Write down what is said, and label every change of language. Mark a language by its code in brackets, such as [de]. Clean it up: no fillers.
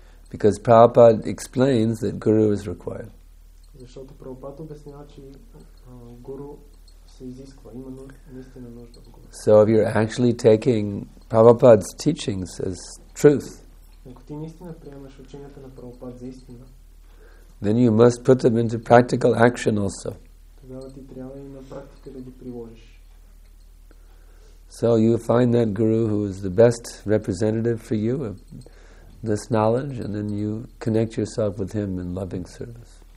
[en] Because Prabhupada explains that guru is required. [bg] Защото Прабхупада обяснява, че гуру се изисква, има наистина нужда от гуру. [en] So if you're actually taking Prabhupada's teachings as truth, [bg] ако ти наистина приемаш ученията на Прабхупада за истина, [en] then you must put them into practical action also. [bg] Тогава ти трябва и на практика да ги приложиш. [en] So you find that guru who is the best representative for you of this knowledge, and then you connect yourself with him in loving service.